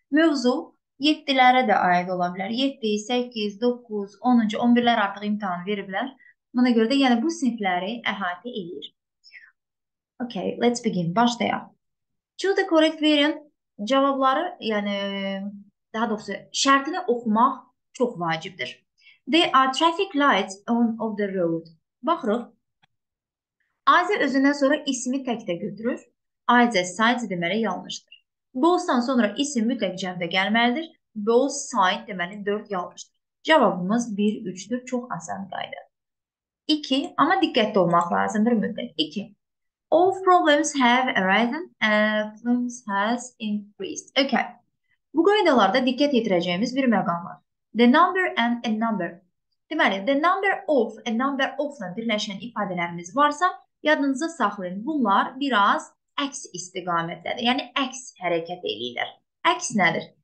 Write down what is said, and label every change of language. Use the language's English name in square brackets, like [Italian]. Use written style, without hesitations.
[Azerbaijani] Mövzu 7-lərə də aid ola bilər. 7, 8, 9, 10-cu, 11-lər artıq imtahan veriblər. Buna görə də yəni bu sinifləri əhatə edir. [English] Okay, let's begin. [Azerbaijani] Başlayaq. [English] Choose the correct variant. [Azerbaijani] Cavabları, yəni daha doğrusu şərtini oxumaq çox vacibdir. [English] There are traffic lights on of the road. [Azerbaijani] Baxırıq. Azə özündən sonra ismi təkdə götürür. Azə sight deməli yanlışdır. Both-dan sonra isim mütləq cəmdə gəlməlidir. Both sight deməli 4 yanlışdır. Cavabımız 1, 3'dür. Çox asan qayda. 2. Amma diqqətli olmaq lazımdır mütləq. 2. [English] All problems have arisen and affluence has increased. Okay. [Azerbaijani] Bu qaydalarda diqqət yetirəcəyimiz bir məqam var. [English] The number and a number. [Azerbaijani] Deməli, the number of, a number of-la birləşən ifadələrimiz varsa, yadınıza saxlayın. Bunlar biraz əks istiqamətdədir. Yəni, əks hərəkət edirlər. Əks nədir?